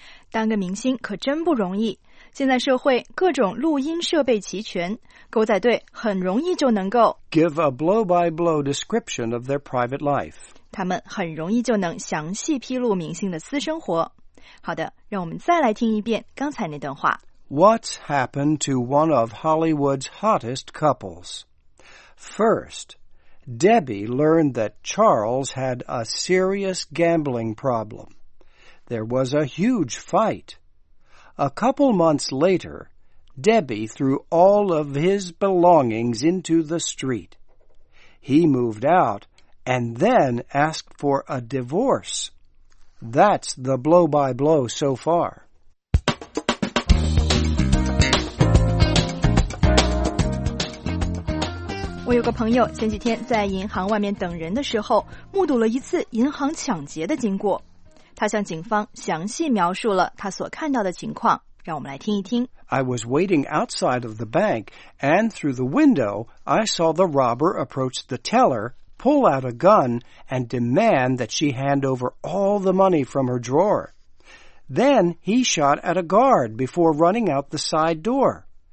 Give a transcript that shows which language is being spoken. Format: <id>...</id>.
<zh>当个明星可真不容易，现在社会各种录音设备齐全，狗仔队很容易就能够</zh> <en>give a blow-by-blow description of their private life.</en> <zh>他们很容易就能详细披露明星的私生活。好的，让我们再来听一遍刚才那段话。</zh> <en>What's happened to one of Hollywood's hottest couples? First, Debbie learned that Charles had a serious gambling problem. There was a huge fight. A couple months later, Debbie threw all of his belongings into the street. He moved out and then asked for a divorce. That's the blow-by-blow so far.</en> <zh>我有个朋友前几天在银行外面等人的时候，目睹了一次银行抢劫的经过。他向警方详细描述了他所看到的情况，让我们来听一听。</zh> <en>I was waiting outside of the bank, and through the window, I saw the robber approach the teller, pull out a gun, and demand that she hand over all the money from her drawer. Then he shot at a guard before running out the side door.</en>